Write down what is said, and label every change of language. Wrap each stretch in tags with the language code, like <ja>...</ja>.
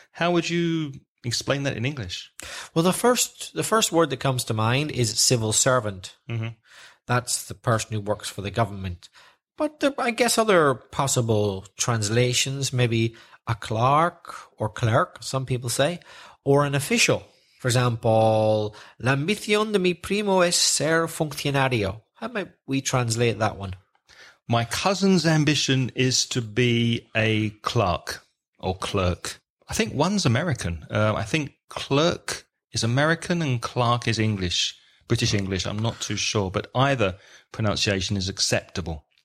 <en>How would you explain that in English? Well, the first word that comes to mind is civil servant. Mm-hmm. That's the person who works for the government. But there, I guess, other possible translations, maybe a clerk, some people say, or an official. For example,</en> <es>la ambición de mi primo es ser funcionario.</es> <en>How might we translate that one? My cousin's ambition is to be a clerk or clerk. I think one's American. I think clerk is American and clerk is English, British English. I'm not too sure, but either pronunciation is acceptable.</en>